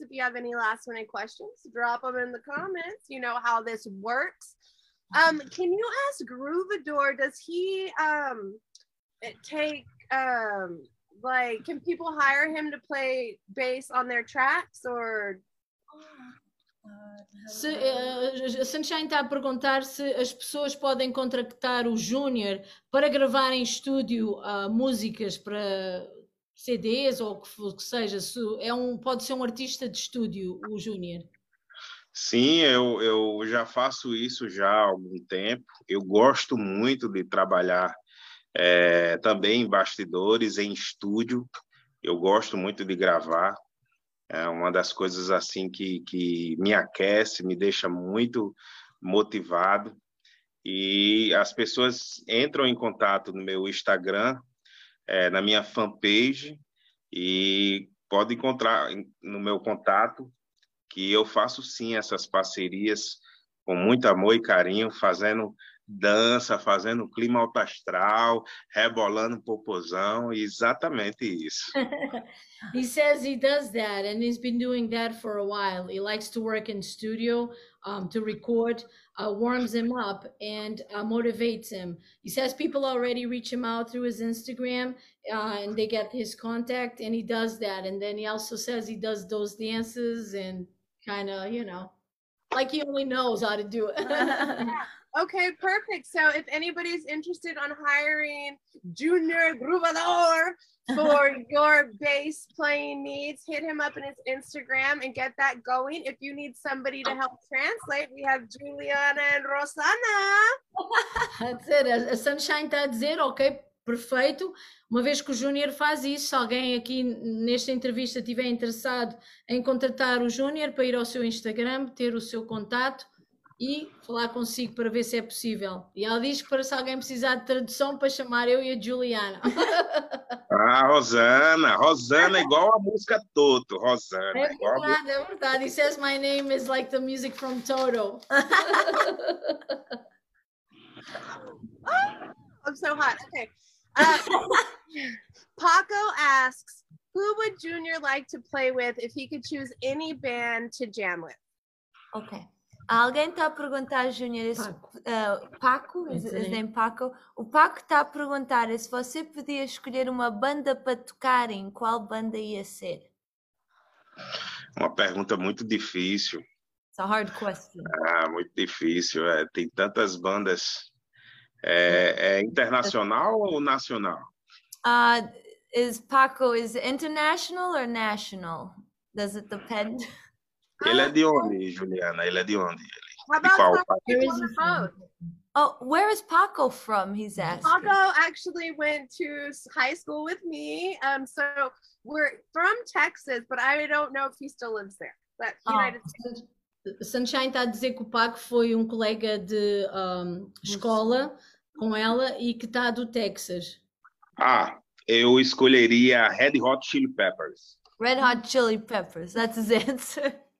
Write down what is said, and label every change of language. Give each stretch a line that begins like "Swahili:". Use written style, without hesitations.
English: If you have any last minute questions, drop them in the comments. You know how this works. Can you ask Groovador, does he take like, can people hire him to play bass on their tracks or?
Portuguese: Se, Sunshine está a perguntar se as pessoas podem contratar o Júnior para gravar em estúdio músicas para CDs ou o que seja. Se é um, pode ser um artista de estúdio, o Júnior. Sim, eu já faço isso já há algum tempo. Eu gosto muito de trabalhar também em bastidores, em estúdio. Eu gosto muito de gravar. É uma das coisas assim que me aquece, me deixa muito motivado. E as pessoas entram em contato no meu Instagram, na minha fanpage, e podem encontrar no meu contato que eu faço sim essas parcerias com muito amor e carinho, fazendo dança, fazendo clima alto astral, rebolando popozão, exatamente isso.
English: He says he does that and he's been doing that for a while. He likes to work in studio to record, warms him up and motivates him. He says people already reach him out through his Instagram and they get his contact and he does that. And then he also says he does those dances and kind of, you know, like he only knows how to do it. Okay, perfect. So if anybody's interested on hiring Junior Groovador for your bass playing needs, hit him up on his Instagram and get that going. If you need somebody to help translate, we have Juliana and Rosana. That's it.
Portuguese: A Sunshine está a dizer, ok, perfeito. Uma vez que o Junior faz isso, se alguém aqui nesta entrevista tiver interessado em contratar o Junior para ir ao seu Instagram, ter o seu contato, e falar consigo para ver se é possível. E ela diz que para se alguém precisar de tradução para chamar eu e a Juliana. Ah, Rosana. Rosana é igual a música Toto. Rosana. É verdade.
English: He says my name is like the music from Toto. I'm so hot. Okay. Paco asks, who would Junior like to play with if he could choose any band to jam with? Okay.
Portuguese: Alguém está a perguntar, Júnior, Paco,
English: his name Paco.
Portuguese: O Paco está a perguntar se você podia escolher uma banda para tocar, em qual banda ia ser? Uma pergunta muito difícil.
English: It's a hard question.
Portuguese: Ah, muito difícil. É. Tem tantas bandas. É internacional ou nacional?
English: Is Paco international or national? Does it depend?
Portuguese: Ele é de onde, Juliana? Ele é de onde?
English: How about Paco? He's on the phone. Oh, where is Paco from? He's asking. Paco actually went to high school with me. So we're from Texas, but I don't know if he still lives there. But United States.
Portuguese: Sunshine está a dizer que o Paco foi colega de escola com ela e que está do Texas. Ah, eu escolheria Red Hot Chili Peppers.
English: Red Hot Chili Peppers, that's his answer.